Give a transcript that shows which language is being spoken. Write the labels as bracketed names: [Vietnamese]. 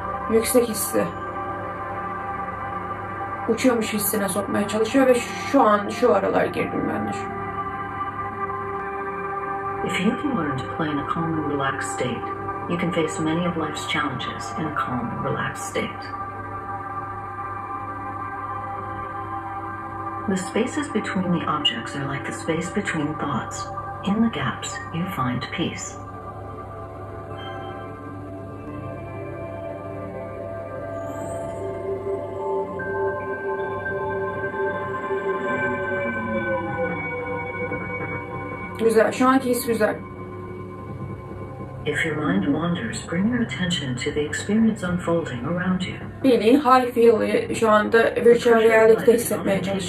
[Turkish] Yüksek hissi. Uçuyormuş hissine sokmaya çalışıyor ve şu an şu aralar girdim ben de şu. [English] If you can learn to play in a calm and relaxed state, you can face many of life's challenges in a calm and relaxed state. The spaces between the objects are like the space between thoughts. In the gaps, you find peace. [Turkish] Güzel. Şu anki his güzel. [English] If your mind wanders, bring your attention to the experience unfolding around you. [Turkish] Bili, [English] how I feel [Turkish] şu anda virtual reality'de hissetmeye